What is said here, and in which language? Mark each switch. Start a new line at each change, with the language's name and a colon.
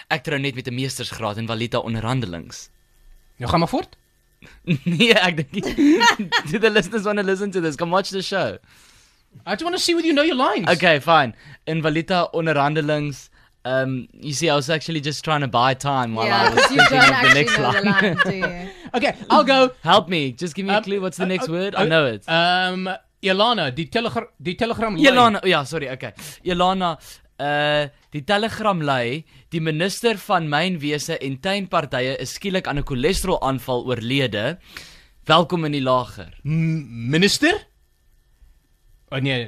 Afrikaans: Ek trou net met 'n meestersgraad in valuta onderhandelings. Nou, gaan maar voort. Nee, ek dink nie.
English: Do the listeners want to listen to this? Come watch the show. I just want to see whether you know your lines. Okay, fine.
Afrikaans: In valuta onderhandelings...
English: you see, I was actually just trying to buy time while yeah, I was thinking of the next line. The Latin, okay, I'll go. Help me. Just give me a clue. What's the next word? I know it.
Afrikaans: Ilana, die telegram lei.
English: Ilana, yeah, sorry, okay.
Afrikaans: Ilana, die telegram lei, die minister van mynwese en tuinpartye is skielik aan 'n cholesterolaanval oorlede. Welkom in die lager. Minister? Oh, nee,